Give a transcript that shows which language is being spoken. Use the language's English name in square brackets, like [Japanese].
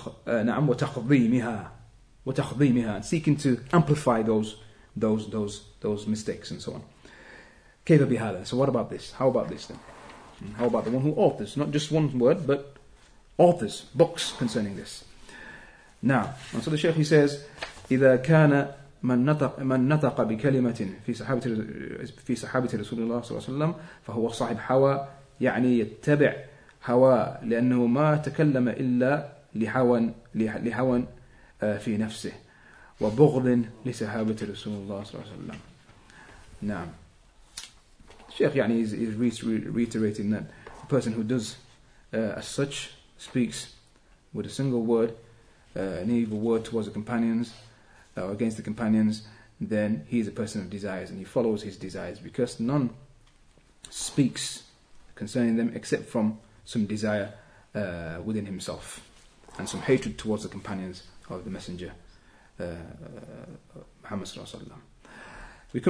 [English] وتخضيمها, seeking to amplify those mistakes and so on. [Arabic] كيف بهذا? [English] So what about this? How about this then? How about the one who authors? Not just one word, but authors, books concerning this. Now, and so the Shaykh, he says, [Arabic] إذا كان من نطق بكلمة في صحابة رسول الله صلى الله عليه وسلم فهو صاحب حوى, يعني يتبع هوى, لأنه ما تكلم إلا لحوى في نفسه وبغض لصحابة رسول الله صلى الله عليه وسلم. نعم. الشيخ يعني [English] is reiterating that a person who does as such, speaks with a single word, an evil word towards the companions, against the companions, then he is a person of desires and he follows his desires, because none speaks concerning them except from some desire within himself and some hatred towards the companions of the Messenger Muhammad sallallahu alaihi wasallam.